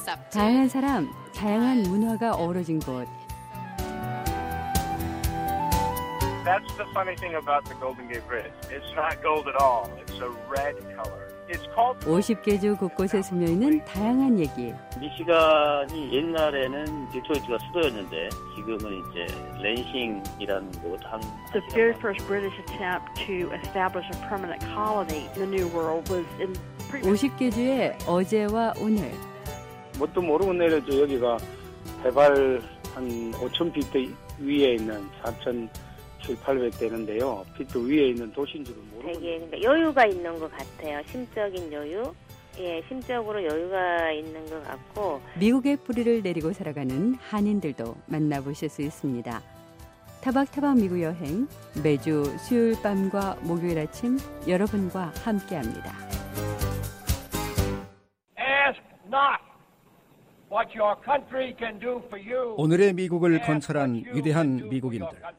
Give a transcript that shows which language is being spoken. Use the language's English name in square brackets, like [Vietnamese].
[Korean] 다양한 사람, 다양한 문화가 어우러진 곳. [English] That's the funny thing about the Golden Gate Bridge. It's not gold at all. It's a red color. It's called. [Korean] 50개 주 곳곳에 숨어 있는 다양한 얘기. 미시간이 옛날에는 디트로이트가 수도였는데 지금은 이제 랜싱이라는 곳 한. [English] The very first British attempt to establish a permanent colony in the New World was in. [Korean] 50개 주의 어제와 오늘. 뭣도 모르고 내려도 여기가 해발 한 5,000 피트 위에 있는 4,000. 800 되는데요. 피트 위에 있는 도시인 줄은 모르고. 되게 여유가 있는 것 같아요. 심적인 여유. 예, 심적으로 여유가 있는 것 같고 미국의 뿌리를 내리고 살아가는 한인들도 만나보실 수 있습니다. 타박타박 미국 여행 매주 수요일 밤과 목요일 아침 여러분과 함께합니다. [English] Ask not what your country can do for you. [Korean] 오늘의 미국을 건설한 위대한 미국인들.